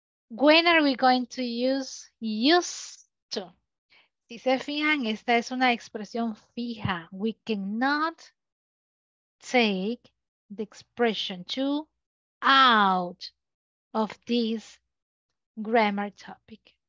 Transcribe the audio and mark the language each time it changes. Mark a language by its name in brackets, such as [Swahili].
[English] When are we going to use used to? [Spanish] Si se fijan, esta es una expresión fija. [English] We cannot take the expression to out of this grammar topic.